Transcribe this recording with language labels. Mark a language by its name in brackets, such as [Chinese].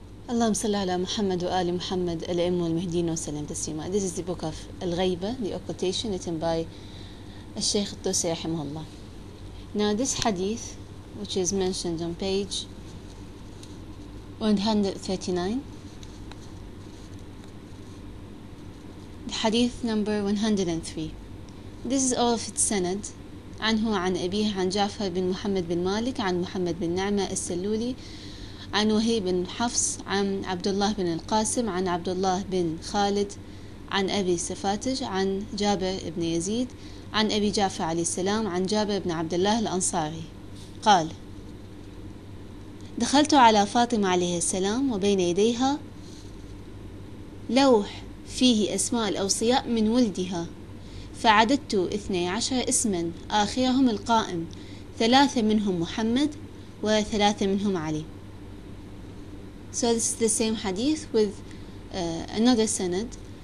[Arabic] اللهم صل على محمد وآل محمد الأئمة والمهدين وسلم تسليما. [English] This is the book of الغيبة, the occultation written by الشيخ الطوسي [Arabic] رحمه الله. [English] Now this hadith, which is mentioned on page 139, the hadith number 103. This is all of its sanad. [Arabic] عنه عن أبيه عن جعفر بن محمد بن مالك عن محمد بن نعمة السلولي عن وهيب بن حفص عن عبد الله بن القاسم عن عبد الله بن خالد عن أبي سفاتج عن جابر بن يزيد عن أبي جعفر عليه السلام عن جابر بن عبد الله الأنصاري قال: دخلت على فاطمة عليه السلام وبين يديها لوح فيه أسماء الأوصياء من ولدها, فعددت 12 اسما آخرهم القائم, 3 منهم محمد و3 منهم علي. [English] So this is the same hadith with another sanad.